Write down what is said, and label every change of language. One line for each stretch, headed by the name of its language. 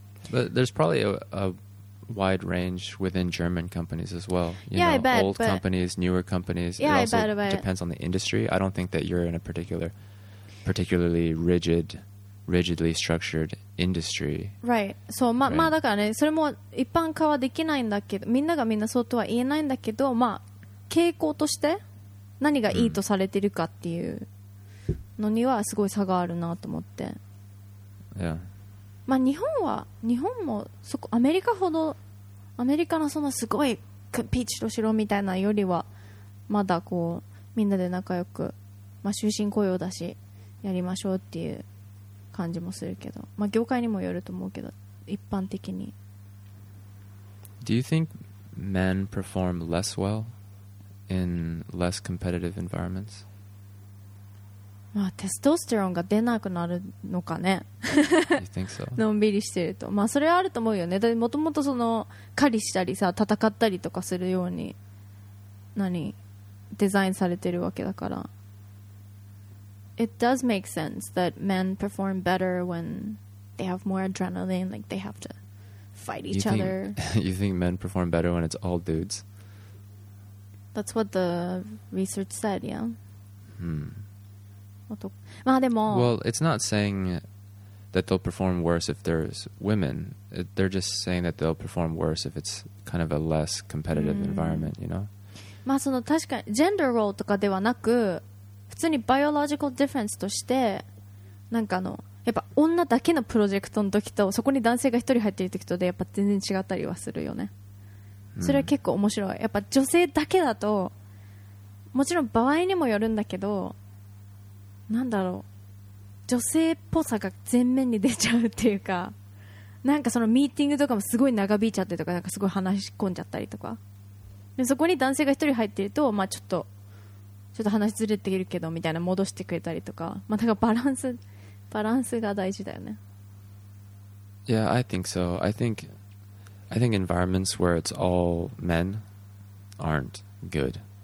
English: But there's probably a wide range within German companies as well. I bet, old companies, newer companies. Yeah, it also depends on the industry. I don't think that you're in a particularly rigidly structured industry. Right.
Japanese: So, だからね、それも一般化はできないんだけど、みんながみんなそうとは言えないんだけど、傾向として何がいいとされてるかっていうのにはすごい差があるなと思って、
English: yeah.
Japanese: まあ日本は日本もそこアメリカほどアメリカのそのすごいピーチとシロみたいなよりはまだこうみんなで仲良く、まあ、終身雇用だしやりましょうっていう感じもするけど、まあ、業界にもよると思うけど一般的に。
English: Do you think men perform less well in less competitive environments?
Japanese: まあ、テストステロンが出なくなるのかね。
English: You think so?
Japanese: のんびりしてると、まあ、それはあると思うよね。だってもともとその狩りしたりさ戦ったりとかするように何デザインされてるわけだから。
English: It does make sense that men perform better when they have more adrenaline, like they have to fight each other. You think men perform better when it's all dudes? That's what the research said, yeah. Hmm.
Japanese: まあでも、
English: well, it's not saying that they'll perform worse if there's women. They're just saying that they'll perform worse if it's kind of a less competitive environment, you know?
Japanese: まあその確かにジェンダーロールとかではなく普通にバイオロジカルディフェレンスとしてなんかあのやっぱ女だけのプロジェクトの時とそこに男性が一人入っている時とでやっぱ全然違ったりはするよね。それは結構面白い。やっぱ女性だけだともちろん場合にもよるんだけど、なんだろう、女性っぽさが前面に出ちゃうっていうか、なんかそのミーティングとかもすごい長引いちゃってとか、なんかすごい話し込んじゃったりとか、でそこに男性が一人入ってると、まあ、ちょっと話ずれてるけどみたいな戻してくれたりとか、まあ、だからバランスが大事だよね。
English: Yeah, I think so. I think environments where it's all men aren't good.